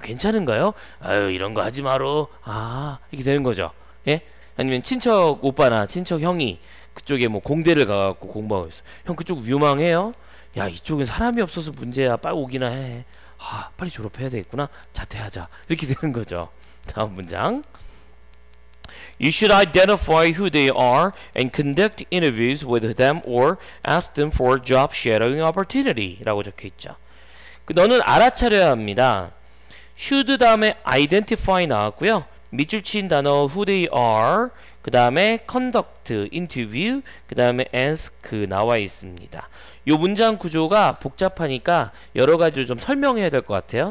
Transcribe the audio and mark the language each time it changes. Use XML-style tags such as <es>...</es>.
<ko>괜찮은가요? 아유, 이런 거 하지 마라. 아, 이렇게 되는 거죠. 예? 아니면 친척 오빠나 친척 형이 그쪽에 뭐 공대를 가서 공부하고 있어. 형, 그쪽 유망해요? 야, 이쪽은 사람이 없어서 문제야. 빨리 오기나 해. 아, 빨리 졸업해야 되겠구나. 자퇴하자. 이렇게 되는 거죠. 다음 문장.</ko> <en>You should identify who they are and conduct interviews with them or ask them for job sharing opportunity</en> <ko>라고 적혀있죠. 너는 알아차려야 합니다. should 다음에 identify 나왔고요. 밑줄 친 단어 who they are 그 다음에 conduct, interview 그 다음에 ask 나와 있습니다. 이 문장 구조가 복잡하니까 여러 가지를 좀 설명해야 될 것 같아요.</ko>